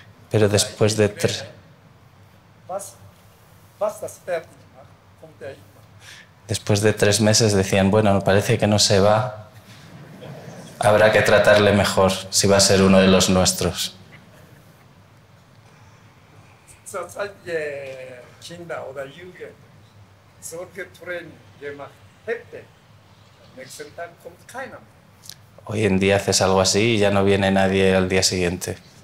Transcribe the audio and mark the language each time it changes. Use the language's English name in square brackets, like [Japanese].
[Spanish] Pero después de tres meses decían, bueno, parece que no se va, habrá que tratarle mejor si va a ser uno de los nuestros. [German] zurzeit die Kinder oder Jugend so getrennt gemacht hätte, am nächsten Tag kommt keiner mehr. [Spanish] Hoy en día haces algo así y ya no viene nadie al día siguiente.